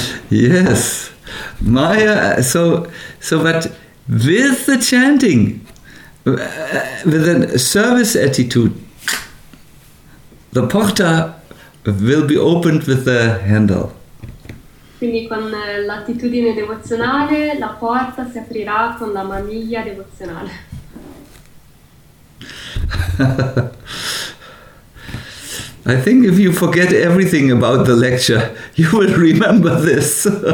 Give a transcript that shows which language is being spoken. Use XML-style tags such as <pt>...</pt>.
<en>Yes, Maya, so, but with the chanting, with a service attitude, the porta will be opened with the handle.</en> <it>Quindi con l'attitudine devozionale, la porta si aprirà con la maniglia devozionale.</it> <en>I think if you forget everything about the lecture, you will remember this.</en>